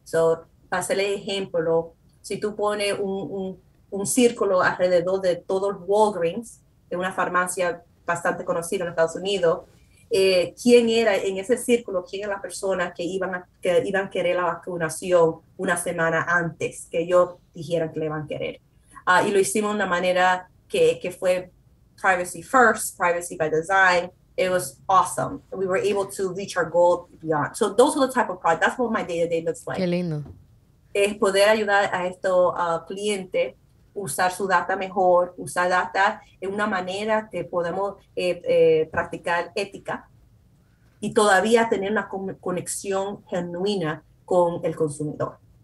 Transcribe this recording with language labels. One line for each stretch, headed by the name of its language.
Spanish: So, para hacerle ejemplo, si tú pones un círculo alrededor de todos Walgreens, de una farmacia bastante conocida en Estados Unidos, ¿quién era en ese círculo, quién era la persona que iban a querer la vacunación una semana antes que ellos dijeran que le iban a querer? Y lo hicimos de una manera que fue
English: privacy first, privacy by design. It was awesome. We were able to reach our goal beyond. So those are the type of products. That's what my day-to-day looks like.
Spanish: Qué lindo. Es poder ayudar a estos clientes usar su data mejor, usar data en una manera que podemos practicar ética y todavía tener una conexión genuina con el consumidor.